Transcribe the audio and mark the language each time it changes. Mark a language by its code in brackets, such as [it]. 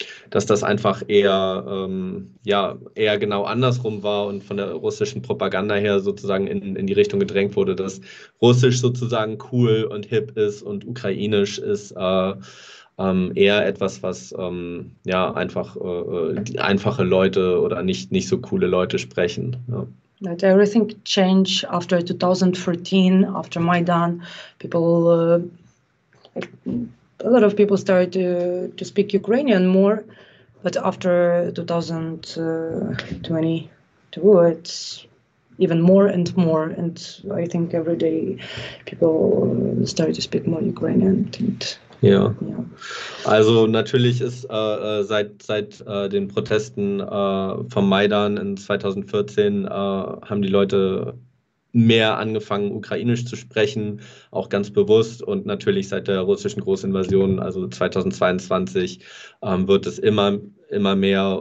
[de] dass das einfach eher eher genau andersrum war und von der russischen Propaganda her sozusagen in die Richtung gedrängt wurde, dass Russisch sozusagen cool und hip ist und ukrainisch ist eher etwas, was einfache Leute oder nicht so coole Leute sprechen. Ja. [en] That everything changed after 2014, after Maidan. A lot of people started to speak Ukrainian more, but after 2022, it's even more and more. And I think every day people started to speak more Ukrainian. [de] Ja, also natürlich ist seit den Protesten vom Maidan in 2014 haben die Leute mehr angefangen, ukrainisch zu sprechen, auch ganz bewusst. Und natürlich seit der russischen Großinvasion, also 2022, wird es immer mehr.